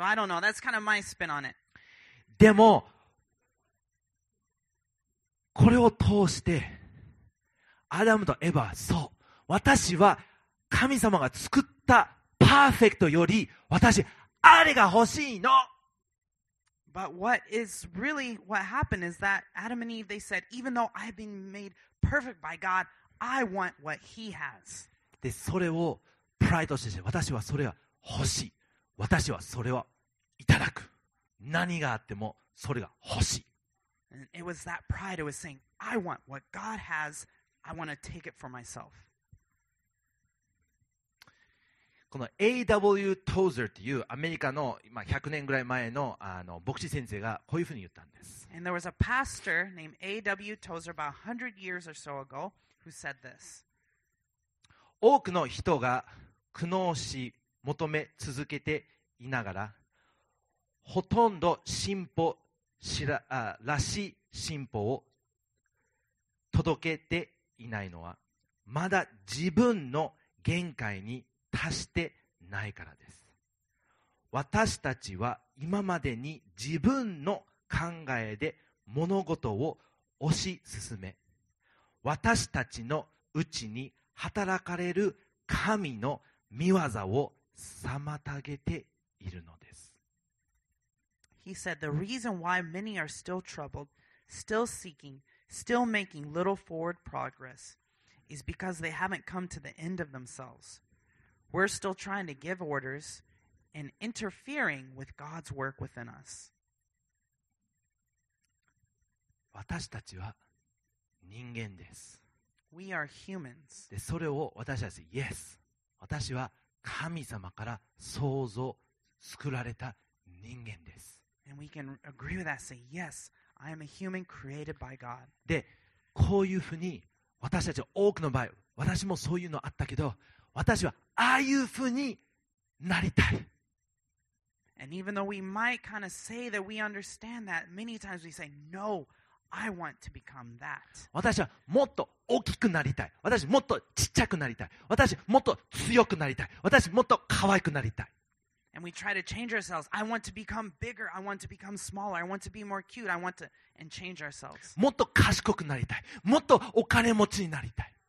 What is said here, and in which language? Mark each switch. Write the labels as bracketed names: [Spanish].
[English] So I don't know. That's kind of my spin on it. [Japanese] でもこれを通してアダムとエヴァはそう、私は神様が作ったパーフェクトより私あれが欲しいの。 [English] But what is really what happened is that Adam and Eve they said even though I've been made perfect by God I want what he has. [Japanese] でそれをプライドとして私はそれは欲しい、私はそれはいただく、何があってもそれが欲しい。 [English] It was that pride. It was saying, I want what God has. I want to take it for myself. [Japanese] この A.W. Tozer というアメリカの今100年ぐらい前 の, あの牧師先生がこういうふうに言ったんです。 [English] And there was a pastor named A.W. Tozer about 100 years or so ago who said this. [Japanese] 多くの人が苦悩し求め続けていながら、ほとんど進歩しらしい進歩を届けていないのは、まだ自分の限界に達してないからです。私たちは今までに自分の考えで物事を推し進め、私たちのうちに働かれる神の見業を妨げているのです。 [English] He said, the reason why many are still troubled, still seeking, still making little forward progress is because they haven't come to the end of themselves. We're still trying to give orders and interfering with God's work within us. [Japanese] 私たちは人間です。 [English] We are humans. [Japanese] で、それを私たち、 [English] Yes. [Japanese] 私は神様から創造作られた人間です。 [English] And we can agree with that. Say, yes, I am a human created by God. [Japanese] で、こういうふうに私たち多くの場合、私もそういうのあったけど、私はああいうふうになりたい。 [English] And even though we might kind of say that we understand that, many times we say, no, I want to become that. [Japanese] 私はもっと大きくなりたい、私もっとちっちゃくなりたい、私もっと強くなりたい、私もっと可愛くなりたい。 [English] And we try to change ourselves. I want to become bigger. I want to become smaller. I want to be more cute. I want to and change ourselves. [Japanese] もっと賢くなりたい、もっとお金持ちになりたい。